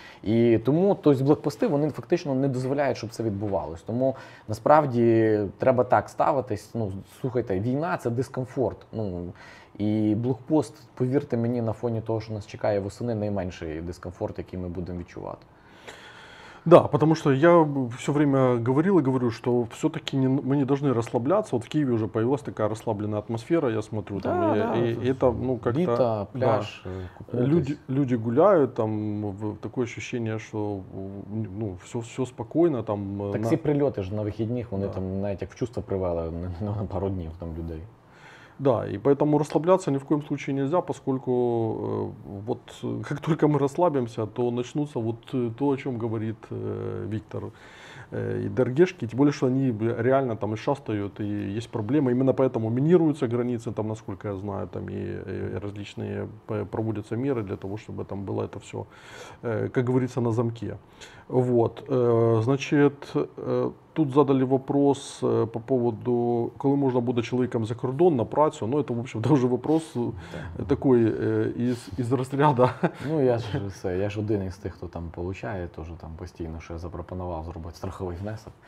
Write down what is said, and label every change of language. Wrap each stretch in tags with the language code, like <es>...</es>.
<uk>І тому, тобто блокпости, вони фактично не дозволяють, щоб це відбувалось. Тому, насправді, треба так ставитись, ну, слухайте, війна – це дискомфорт, ну, і блокпост, повірте мені, на фоні того, що нас чекає восени, найменший дискомфорт, який ми будемо відчувати.</uk> <ru>Да, потому что я все время говорил и говорю, что все-таки не, мы не должны расслабляться. Вот в Киеве уже появилась такая расслабленная атмосфера, я смотрю, да, там, да, и это, ну, как-то... Бита, пляж, да, люди гуляют, там, такое ощущение, что, ну, все спокойно, там...</ru> <uk>Такси прильоти ж на вихідних, вони, да, там, навіть як в чувство привели на пару днів там людей.</uk> <ru>Да, и поэтому расслабляться ни в коем случае нельзя, поскольку вот как только мы расслабимся, то начнутся вот то, о чем говорит Виктор, и ДРГшки, тем более, что они реально там и шастают, и есть проблемы, именно поэтому минируются границы, там, насколько я знаю, там и различные проводятся меры для того, чтобы там было это все, как говорится, на замке. Вот, значит... тут задали вопрос по поводу,</ru> <uk>коли можна буде чоловіком за кордон на працю. Ну, це, в общем, дуже вопрос такий із розряду. Ну, я ж один із тих, хто там получає, тож там постійно ще запропонував зробити страховий внесок.</uk>